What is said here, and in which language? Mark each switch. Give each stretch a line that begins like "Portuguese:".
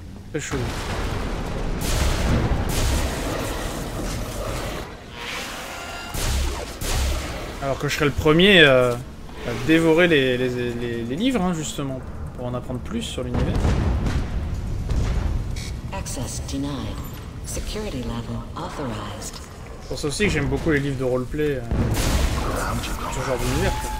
French: Très chaud. Alors que je serais le premier à dévorer les livres, hein, justement, pour en apprendre plus sur l'univers.
English: Access denied. Security level authorized.
French: C'est pour ça aussi que j'aime beaucoup les livres de roleplay ce genre d'univers.